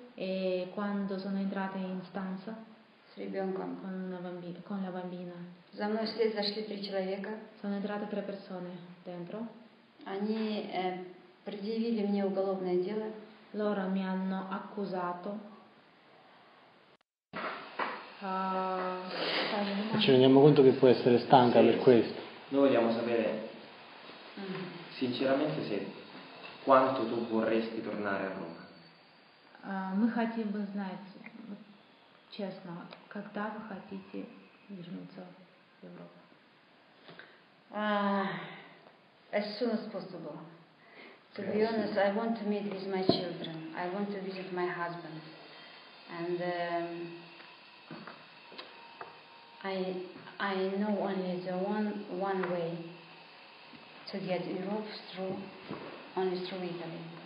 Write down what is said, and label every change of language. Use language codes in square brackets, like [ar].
[it] e quando sono entrata in stanza, [ru] с ребенком, [it] con la bambina, [ru] за мной вслед зашли три человека, [it] sono entrate tre persone dentro, [ru] они предъявили мне уголовное дело, [it] loro mi hanno accusato. E ci rendiamo conto che può essere stanca, sì, per questo. Noi vogliamo sapere sinceramente se quanto tu vorresti tornare a Roma. [ru] Мы хотим бы знать честно, когда вы хотите вернуться в Европу. [en] As soon as possible. To be honest, I want to meet with my children. I want to visit my husband. And I know only the one way to get Europe through, only through Italy.